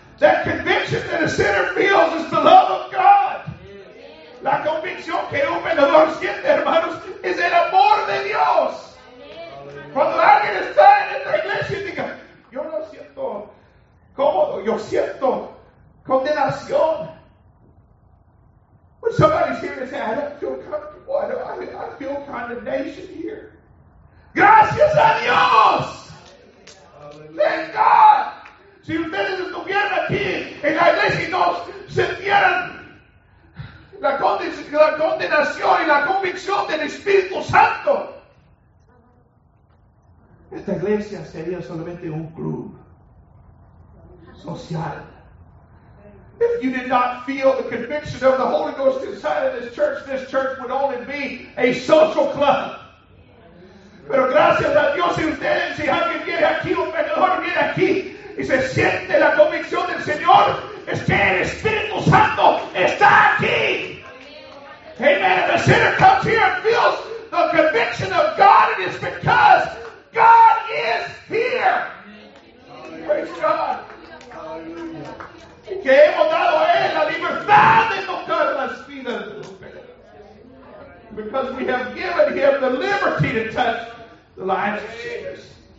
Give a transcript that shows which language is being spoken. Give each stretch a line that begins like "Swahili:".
English: That conviction that a sinner feels is the love of God.
Spanish: La convicción que un pecador siente, hermanos, es el amor de Dios. Cuando alguien está en la iglesia y diga, yo no siento cómodo, yo siento condenación.
English: When somebody's here to say, I don't feel comfortable, I feel condemnation here.
Spanish: Gracias a Dios.
English: Thank God.
Spanish: Si ustedes estuvieran aquí en la iglesia y no sintieran la condenación y la convicción del Espíritu Santo, esta iglesia sería solamente un club social.
English: If you did not feel the conviction of the Holy Ghost inside of this church would only be a social club.
Spanish: Pero gracias a Dios, si ustedes, si alguien viene aquí, un pecador viene aquí y se siente la convicción del Señor, es que el Espíritu Santo está aquí.
English: Amen. If a sinner comes here and feels the conviction of God, it is because God is here. Praise God.
Spanish: Que hemos dado a él la libertad de tocar las vidas.
English: Because we have given him the liberty to touch the lives of sinners.